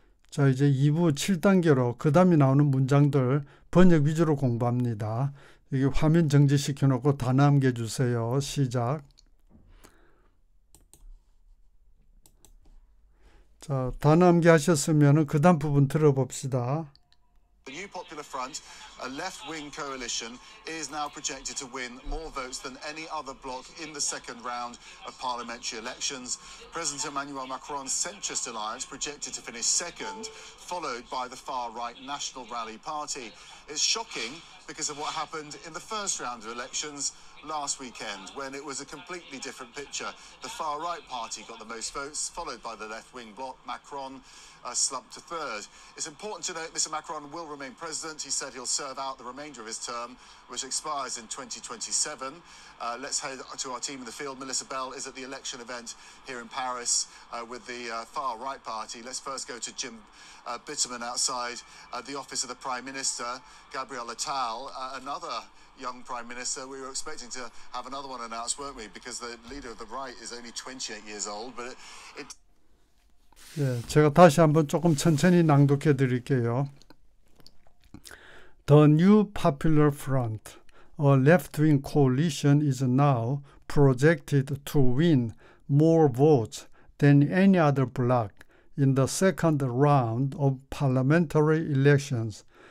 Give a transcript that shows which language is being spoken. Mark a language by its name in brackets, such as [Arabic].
[Korean] 자, 이제 2부 7단계로 그 다음에 나오는 문장들 번역 위주로 공부합니다. 여기 화면 정지시켜 놓고 단어 암기해 주세요. 시작. 자, 단어 암기 하셨으면 그 다음 부분 들어봅시다. [English] The new popular front, a left-wing coalition, is now projected to win more votes than any other bloc in the second round of parliamentary elections. President Emmanuel Macron's centrist alliance projected to finish second, followed by the far-right National Rally Party. It's shocking because of what happened in the first round of elections last weekend, when it was a completely different picture. The far-right party got the most votes, followed by the left-wing bloc, Macron, slumped to third. It's important to note Mr. Macron will remain president. He said he'll serve out the remainder of his term, which expires in 2027. Let's head to our team in the field. Melissa Bell is at the election event here in Paris with the far-right party. Let's first go to Jim Bitterman outside the office of the Prime Minister, Gabriel Attal, another young Prime Minister. We were expecting to have another one announced, weren't we? Because the leader of the right is only 28 years old, but it [Korean] 예, 제가 다시 한번 조금 천천히 낭독해 드릴게요. [English] The new popular front, a left-wing coalition, is now projected to win more votes than any other bloc in the second round of parliamentary elections.